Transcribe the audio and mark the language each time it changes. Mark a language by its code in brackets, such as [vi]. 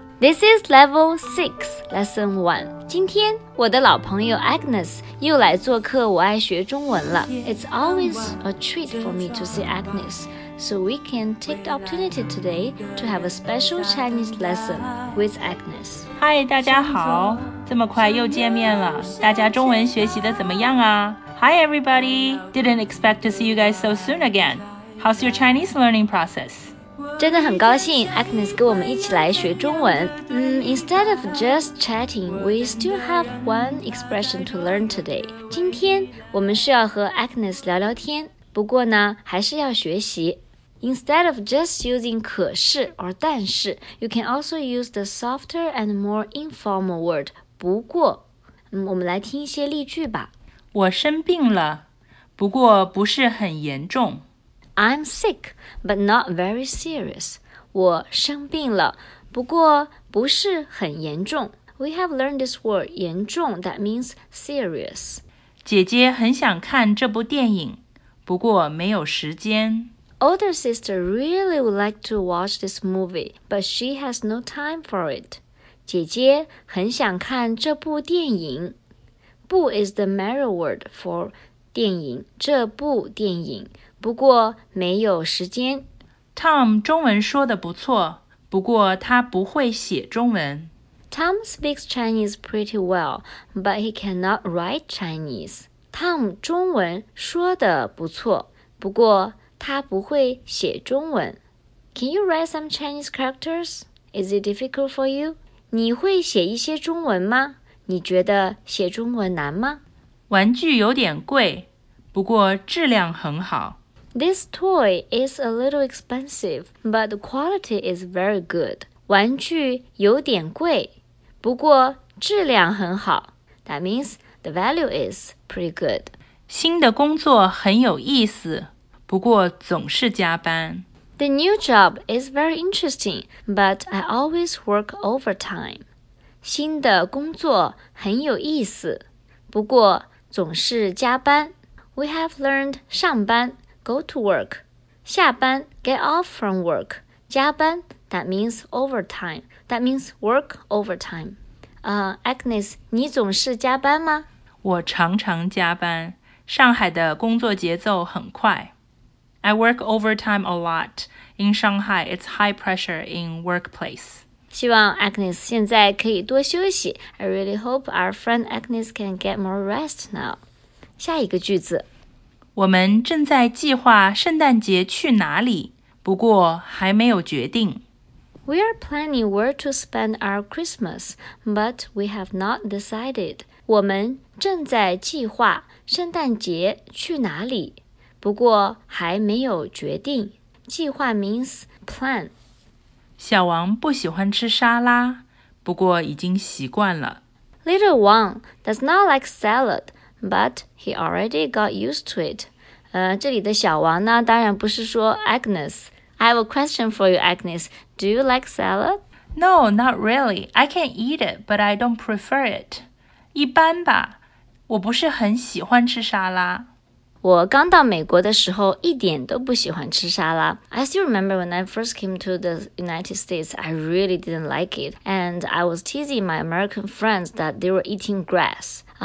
[en] This is Level 6, Lesson 1. [zh] 今天我的老朋友 Agnes 又来做客我爱学中文了。 [en] It's always a treat for me to see Agnes, so we can take the opportunity today to have a special Chinese lesson with Agnes. [zh] Hi, 大家好，这么快又见面了，大家中文学习的怎么样啊？ [en] Hi everybody, didn't expect to see you guys so soon again. How's your Chinese learning process? [zh] 真的很高兴 Agnes 跟我们一起来学中文。 [en] Instead of just chatting, we still have one expression to learn today. [zh] 今天我们是要和 Agnes 聊聊天，不过呢，还是要学习。 [en] Instead of just using 可是 or 但是, you can also use the softer and more informal word, 不过。 [zh] 我们来听一些例句吧。我生病了，不过不是很严重。 [en] I'm sick, but not very serious. [zh] 我生病了，不过不是很严重。 [en] We have learned this word, 严重, that means serious. [zh] 姐姐很想看这部电影，不过没有时间。 [en] Older sister really would like to watch this movie, but she has no time for it. [zh] 姐姐很想看这部电影。不 [en] is the marrow word for [zh] 电影，这部电影。不过没有时间。 Tom 中文说得不错，不过他不会写中文。 [en] Tom speaks Chinese pretty well, but he cannot write Chinese. [zh] Tom 中文说得不错，不过他不会写中文。 [en] Can you write some Chinese characters? Is it difficult for you? [zh] 你会写一些中文吗？你觉得写中文难吗？玩具有点贵，不过质量很好。 [en] This toy is a little expensive, but the quality is very good. [zh] 玩具有点贵，不过质量很好。 [en] That means the value is pretty good. [zh] 新的工作很有意思，不过总是加班。 [en] The new job is very interesting, but I always work overtime. [zh] 新的工作很有意思，不过总是加班。 [en] We have learned 上班。Go to work. 下班 get off from work. 加班 that means overtime. That means work overtime. [zh] Agnes, 你总是加班吗？我常常加班。上海的工作节奏很快。 [en] I work overtime a lot. In Shanghai, it's high pressure in workplace. [zh] 希望 Agnes 现在可以多休息。 [en] I really hope our friend Agnes can get more rest now. [zh] 下一个句子。我们正在计划圣诞节去哪里，不过还没有决定。 [en] We are planning where to spend our Christmas, but we have not decided. [zh] 我们正在计划圣诞节去哪里，不过还没有决定。 [en] 计划 means plan. [zh] 小王不喜欢吃沙拉，不过已经习惯了。 [en] Little Wang does not like salad. But he already got used to it. [zh] 这里的小王呢，当然不是说 Agnes. [en] I have a question for you, Agnes. Do you like salad? No, not really. I can eat it, but I don't prefer it. [zh] 一般吧，我不是很喜欢吃沙拉。我刚到美国的时候一点都不喜欢吃沙拉。 [en] I still remember when I first came to the United States, I really didn't like it. And I was teasing my American friends that they were eating grass.